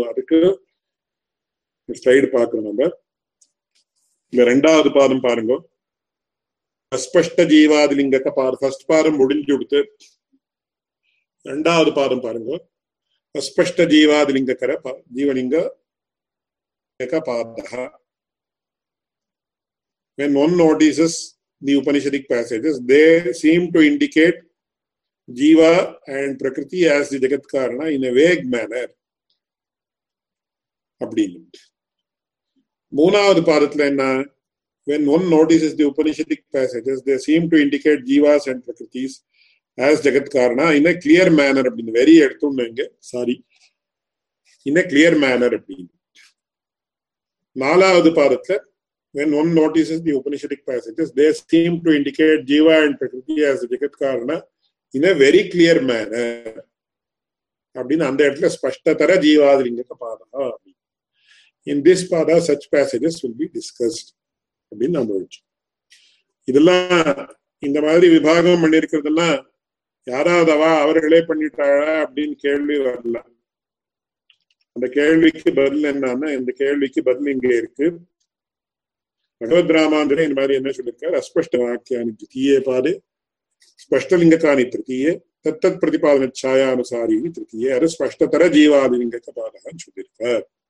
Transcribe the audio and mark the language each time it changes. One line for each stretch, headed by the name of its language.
Tamil: அதுக்கு ஸ்லைடு பார்க்கணும் நம்ம. இந்த ரெண்டாவது பாதம் பாருங்க, அஸ்பஷ்ட ஜீவாதிலிங்கத்த பாரு, ஃபர்ஸ்ட் பாதம் முடிஞ்சு கொடுத்து ரெண்டாவது பாதம் பாருங்க, அஸ்பஷ்ட ஜீவாதிலிங்கர ஜீவலிங்க பாதா.
English: When one notices the Upanishadic passages, they seem to indicate Jiva and Prakriti as the Jagat Karana in a vague manner.
Tamil: மூணாவது பாதத்துல என்ன,
English: when one notices the Upanishadic passages, they seem to indicate jivas and prakritis as jagat karana in a clear manner. Very
Tamil: எடுத்துன்னு,
English: sorry, in a clear manner.
Tamil: நாலாவது பாதத்துல,
English: when one notices the Upanishadic passages, they seem to indicate jiva and prakriti as jagat karana in a very clear manner.
Tamil: அப்படின்னு அந்த இடத்துல ஸ்பஷ்டதர ஜீவாதிலிங்க பாதா.
English: In this pada, such passages will be discussed.
Tamil: அப்படின்னு நம்ம வச்சு இதெல்லாம் இந்த மாதிரி விபாகம் பண்ணிருக்கிறதுலாம் யாராவது அவா அவர்களே பண்ணிட்டாரா அப்படின்னு கேள்வி வரல. அந்த கேள்விக்கு பதில் என்னன்னா, இந்த கேள்விக்கு பதில் இங்கே இருக்கு. பகவத் ராமாந்திரன் இந்த மாதிரி என்ன சொல்லியிருக்காரு,
Sanskrit: அஸ்பஷ்ட வாக்கியானி த்விதீயே பாதே ஸ்பஷ்டலிங்கக்கானி த்ருத்தீயே தத்தத் பிரதிபாதன சாயானுசாரி த்ருத்தீயே அது ஸ்பஷ்டதர ஜீவாதிலிங்க
Tamil: பாதகன்னு சொல்லியிருக்காரு.